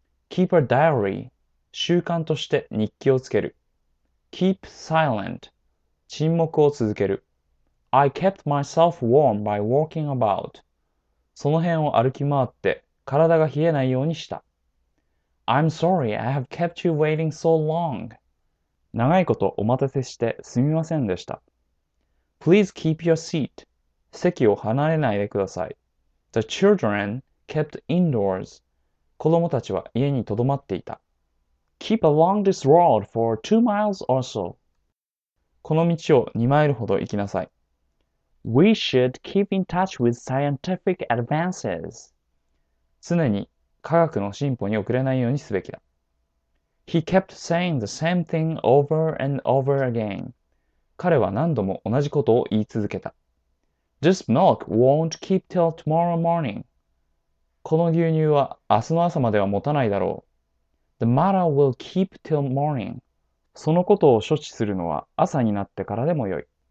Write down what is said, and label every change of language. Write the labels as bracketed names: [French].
[English] Keep a diary. [Japanese] 習慣として日記をつける。 [English] Keep silent. [Japanese] 沈黙を続ける。 [English] I kept myself warm by walking about. [Japanese] その辺を歩き回って体が冷えないようにした。 [English] I'm sorry I have kept you waiting so long. [Japanese] 長いことお待たせしてすみませんでした。 [English] Please keep your seat. [Japanese] 席を離れないでください。 [English] The children kept indoors. [Japanese] 子供たちは家にとどまっていた。 [English] Keep along this road for 2 miles or so. [Japanese] この道を2マイルほど行きなさい。 [English] We should keep in touch with scientific advances. [Japanese] 常に科学の進歩に遅れないようにすべきだ。 [English] He kept saying the same thing over and over again. [Japanese] 彼は何度も同じことを言い続けた。 [English] This milk won't keep till tomorrow morning. [Japanese] この牛乳は明日の朝までは持たないだろう。 [English] The matter will keep till morning. [Japanese] そのことを処置するのは朝になってからでもよい。